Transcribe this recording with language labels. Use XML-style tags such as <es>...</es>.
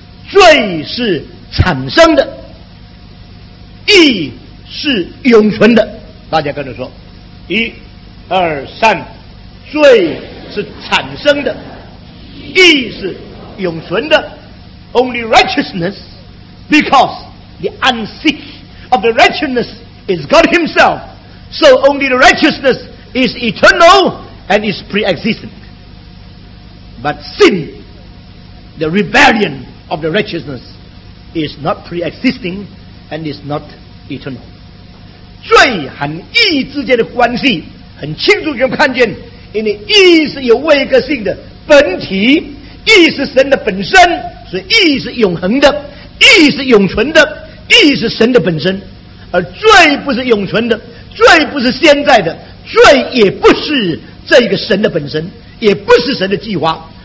<zh>罪是产生的，义是永存的。大家跟着说，一二三，罪是产生的，义是永存的。</zh> <en>Only righteousness, because the unseen of the righteousness is God himself, so only the righteousness is eternal and is pre-existent. But sin, the rebellion of the righteousness, is not pre-existing and is not eternal.</en> <zh>罪和义之间的关系很清楚，就看见因为义是有位格性的本体，义是神的本身，所以义是永恒的，义是永存的，义是神的本身。而罪不是永存的，罪不是现在的，罪也不是这个神的本身，也不是神的计划。</zh>